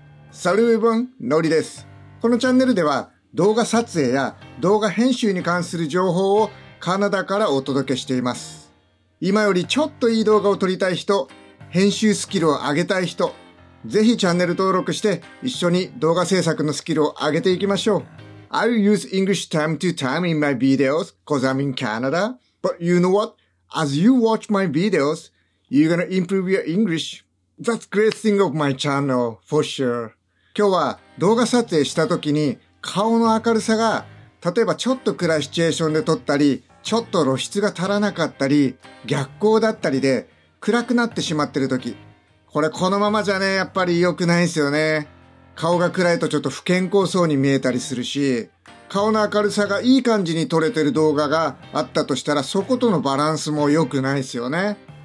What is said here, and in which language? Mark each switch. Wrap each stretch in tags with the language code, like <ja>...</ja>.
<ja>サルウェブン、ノリです。このチャンネルでは動画撮影や動画編集に関する情報をカナダからお届けしています。今よりちょっといい動画を撮りたい人、編集スキルを上げたい人、ぜひチャンネル登録して一緒に動画制作のスキルを上げていきましょう。</ja> <en>I'll use English time to time in my videos cause I'm in Canada. But you know what? As you watch my videos, you're gonna improve your English. That's great thing of my channel, for sure.</en> <ja>今日は動画撮影した時に顔の明るさが、例えばちょっと暗いシチュエーションで撮ったり、ちょっと露出が足らなかったり、逆光だったりで暗くなってしまってる時、これこのままじゃね、やっぱり良くないですよね。顔が暗いとちょっと不健康そうに見えたりするし、顔の明るさがいい感じに撮れてる動画があったとしたら、そことのバランスも良くないですよね。</ja>